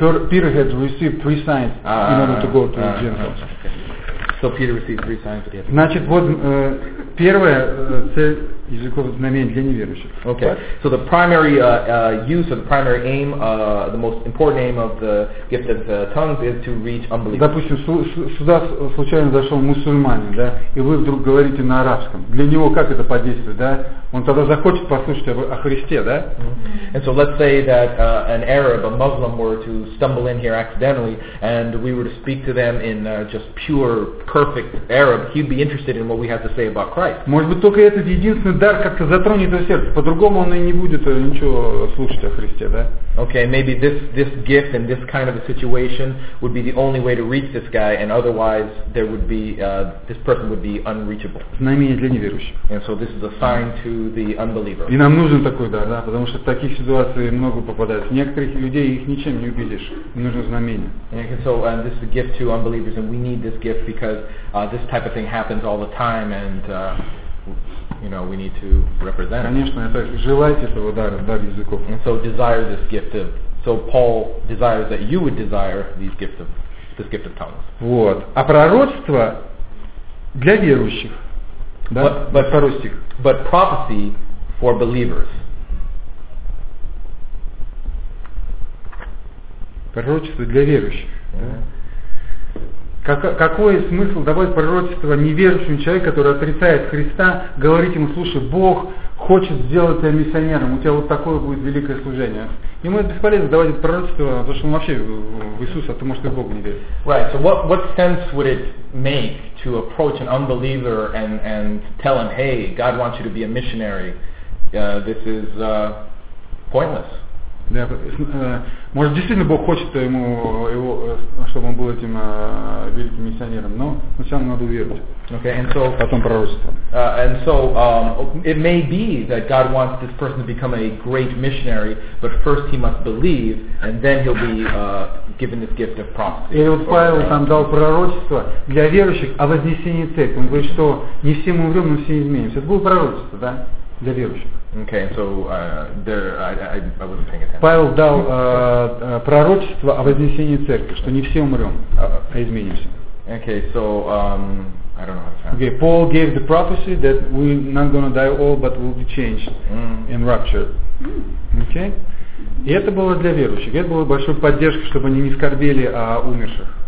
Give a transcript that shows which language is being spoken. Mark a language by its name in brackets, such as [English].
[English] Peter had received three signs in order to go to the Gentiles. Okay. So Peter received three signs. That he had to [Russian] Значит, вот первая цель языков знамений для неверующих. [English] Okay. What? So the primary use or the primary aim, the most important aim of the gift of tongues is to reach unbelievers. [Russian] Допустим, сюда случайно зашел мусульманин, да, и вы вдруг говорите на арабском. Для него как это подействует, да? Он тогда захочет послушать о Христе, да? [English] And so let's say that an Arab, a Muslim, were to stumble in here accidentally, and we were to speak to them in just pure, perfect Arab, he'd be interested in what we have to say about Christ. [Russian] Может быть, только этот единственный дар как-то затронет его сердце. По-другому он и не будет ничего слушать о Христе, да? [English] Okay, maybe this gift and this kind of a situation would be the only way to reach this guy, and otherwise there would be this person would be unreachable. [Russian] Знамение для неверующих. [English] And so this is a sign to the unbeliever. [Russian] И нам нужен такой дар, да, потому что в таких ситуациях много попадает. Некоторых людей их ничем не убедишь. Нужно знамение. [English] And so this is a gift to unbelievers, and we need this gift because this type of thing happens all the time, and you know, we need to represent. Конечно, это желать этого дара, дар языков. And so desire this gift of. So Paul desires that you would desire these gifts of this gift of tongues. [Russian] Вот. А пророчество для верующих. Да? [English] But [Russian] пророчество. [English] But prophecy for believers. [Russian] Пророчество для верующих. Какой смысл давать пророчество неверующему человеку, который отрицает Христа, говорить ему, слушай, Бог хочет сделать тебя миссионером, у тебя вот такое будет великое служение. Ему это бесполезно давать это пророчество, потому что он вообще в Иисуса, потому что и в Бога не верит. [English] Right, so what sense would it make to approach an unbeliever and tell him, hey, God wants you to be a missionary, this is pointless. [Russian] Да, может действительно Бог хочет ему его, чтобы он был этим великим миссионером, но сначала надо уверовать. [English] Okay, and so [Russian] потом пророчество. [English] And so it may be that God wants this person to become a great missionary, but first he must believe, and then he'll be given this gift of prophecy. [Russian] И вот Павел там дал пророчество для верующих о вознесении церкви. Он говорит, что не все мы умрем, но все изменимся. Это было пророчество, да? Для верующих. [English] Okay, so I wasn't paying attention. [Russian] Павел дал пророчество о вознесении церкви, что не все умрем, а изменимся. [English] Okay, so I don't know how to translate. Okay, Paul gave the prophecy that we're not going to die all, but we'll be changed and raptured. [Russian] Okay? И это было для верующих. Это было большой поддержкой, чтобы они не скорбели о умерших.